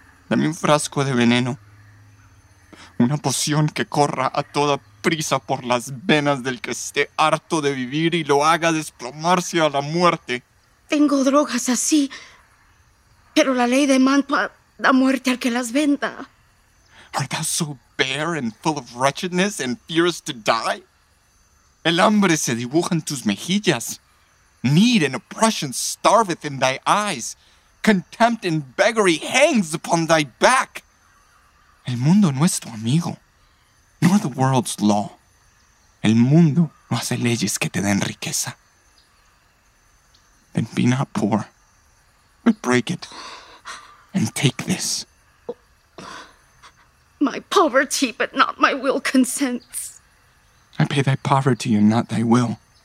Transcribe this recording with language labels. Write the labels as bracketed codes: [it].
[es] Dame un frasco de veneno, una poción que corra a toda prisa por las venas del que esté harto de vivir y lo haga desplomarse a la muerte. Tengo drogas así, pero la ley de Mantua da muerte al que las venda. [en] Art thou so bare and full of wretchedness and fearest to die? [es] El hambre se dibuja en tus mejillas. [en] Need and oppression starveth in thy eyes. Contempt and beggary hangs upon thy back. [es] El mundo no es tu amigo, [en] nor the world's law. [es] El mundo no hace leyes que te den riqueza. [en] Then be not poor, but break it and take this. My poverty, but not my will, consents. I pay thy poverty and not thy will.